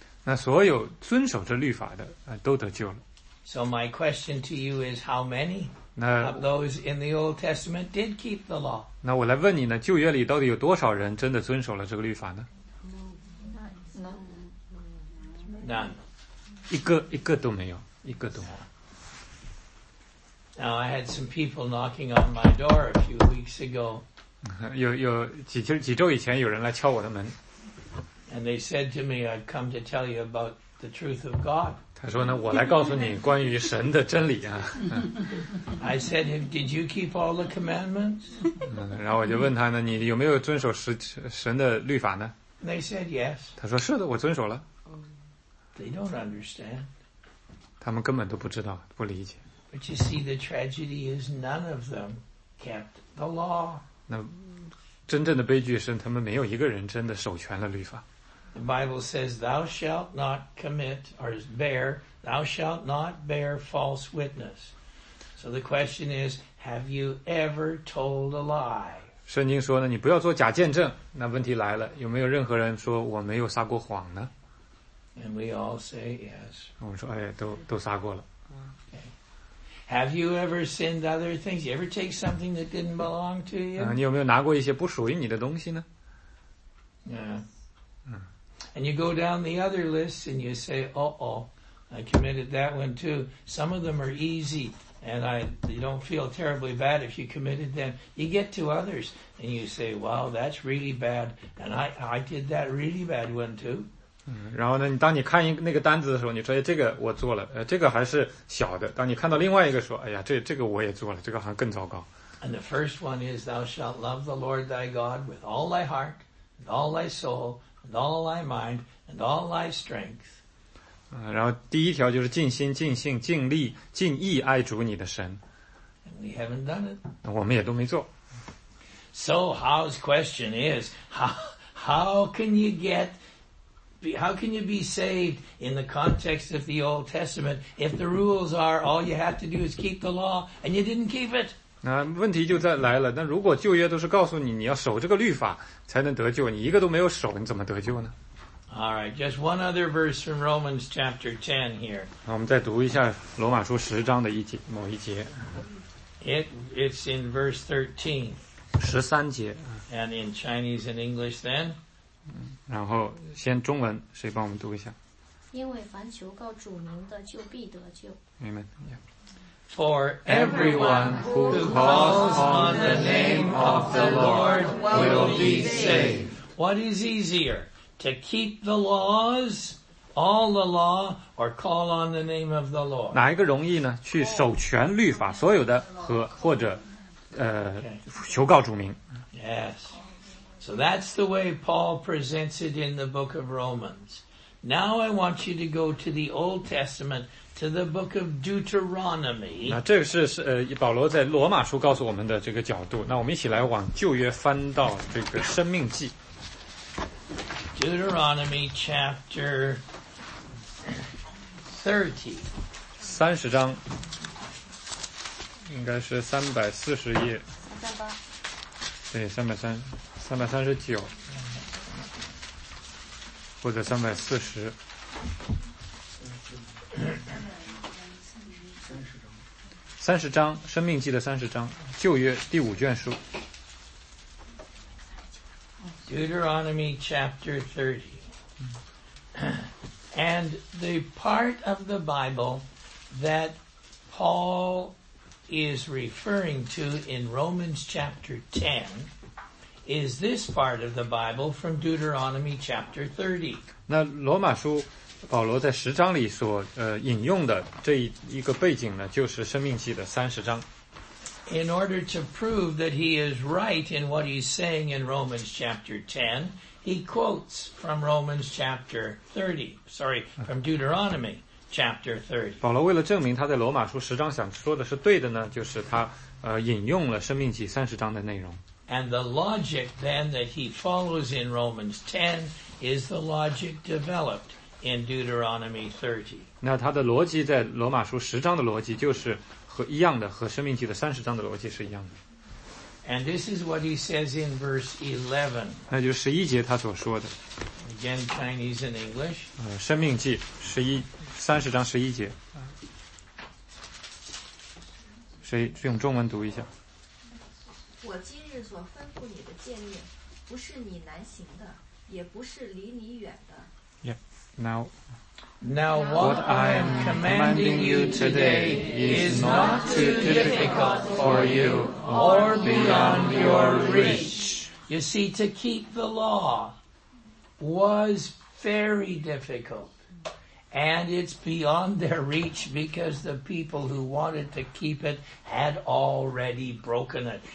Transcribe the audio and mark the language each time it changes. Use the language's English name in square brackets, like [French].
[Chinese] 那所有遵守着律法的都得救了。 [English] So my question to you is how many of those in the Old Testament did keep the law? [Chinese] 那我来问你呢，旧约里到底有多少人真的遵守了这个律法呢？ [English] None. [Chinese] 一个都没有，一个都没有。 [English] Now I had some people knocking on my door a few weeks ago. [Chinese] 有几周以前有人来敲我的门。 [English] And they said to me, I've come to tell you about the truth of God. [Chinese] 他说呢，我来告诉你关于神的真理啊。 [English] I said, did you keep all the commandments? [Chinese] 然后我就问他呢，你有没有遵守神的律法呢？ [English] They said, yes. [Chinese] 他说是的，我遵守了。 [English] They don't understand. [Chinese] 他们根本都不知道，不理解。 [English] But you see, the tragedy is none of them kept the law. [Chinese] 那真正的悲剧是他们没有一个人真的守全了律法。 [English] The Bible says, "Thou shalt not commit or bear, thou shalt not bear false witness." So the question is, have you ever told a lie? [Chinese] 圣经说呢，你不要做假见证。那问题来了，有没有任何人说我没有撒过谎呢？ [English] And we all say yes. [Chinese] 我们说，哎，都撒过了。 [English] Have you ever sinned other things? You ever take something that didn't belong to you? [Chinese] 你有没有拿过一些不属于你的东西呢？ [English] Yeah. And you go down the other list and you say, uh-oh, I committed that one too. Some of them are easy and you don't feel terribly bad if you committed them. You get to others and you say, wow, that's really bad. And I did that really bad one too. [Chinese] 然后呢，当你看那个单子的时候，你说，哎，这个我做了，这个还是小的。当你看到另外一个说，哎呀，这个我也做了，这个好像更糟糕。 [English] And the first one is, thou shalt love the Lord thy God with all thy heart, and all thy soul, and all thy mind, and all thy strength. [Chinese] 然后第一条就是尽心、尽性、尽力、尽意爱主你的神。 [English] And we haven't done it. [Chinese] 我们也都没做。 [English] So how's question is, how can you get... How can you be saved in the context of the Old Testament if the rules are all you have to do is keep the law and you didn't keep it? [Chinese] 那问题就在来了，那如果旧约都是告诉你你要守这个律法才能得救，你一个都没有守，你怎么得救呢？ [English] All right, just one other verse from Romans chapter 10 here. [Chinese] 我们再读一下罗马书十章的某一节。 [English] It's in verse 13. [Chinese] 十三节。 [English] And in Chinese and English then? [Chinese] 然后先中文，谁帮我们读一下？因为凡求告主名的，就必得救。 [English] Amen. For everyone who calls on the name of the Lord will be saved. What is easier, to keep the laws, all the law, or call on the name of the Lord? [Chinese] 哪一个容易呢？去守全律法所有的和或者求告主名。 [English] Yes. So that's the way Paul presents it in the book of Romans. Now I want you to go to the Old Testament, to the book of Deuteronomy. [Chinese] 那这是保罗在罗马书告诉我们的这个角度。那我们一起来往旧约翻到这个生命记。 [English] Deuteronomy chapter 30. [Chinese] 三十章。应该是340页。对，三百三。 339或者340。三十章，生命记的三十章，旧约第五卷书。 [English] Deuteronomy chapter 30. And the part of the Bible that Paul is referring to in Romans chapter 10 is this part of the Bible from Deuteronomy chapter 30. [Chinese] 那罗马书保罗在十章里所引用的这一个背景呢，就是《生命记》的三十章。 [English] In order to prove that he is right in what he's saying in Romans chapter 10, he quotes from Romans chapter 30. Sorry, from Deuteronomy chapter 30. [Chinese] 保罗为了证明他在罗马书十章想说的是对的呢，就是他引用了《生命记》三十章的内容。 [English] And the logic then that he follows in Romans 10 is the logic developed in Deuteronomy 30. [Chinese] 那他的逻辑在罗马书十章的逻辑就是和一样的，和生命记的三十章的逻辑是一样的。 [English] And this is what he says in verse 11. [Chinese] 那就是十一节他所说的。 [English] Again, Chinese and English. [Chinese] 生命记十一三十章十一节。谁用中文读一下？我今日所吩咐你的诫命，不是你难行的，也不是离你远的。 [English] Now what I am commanding you today is not too difficult for you or beyond your reach. You see, to keep the law was very difficult. And it's beyond their reach because the people who wanted to keep it had already broken it.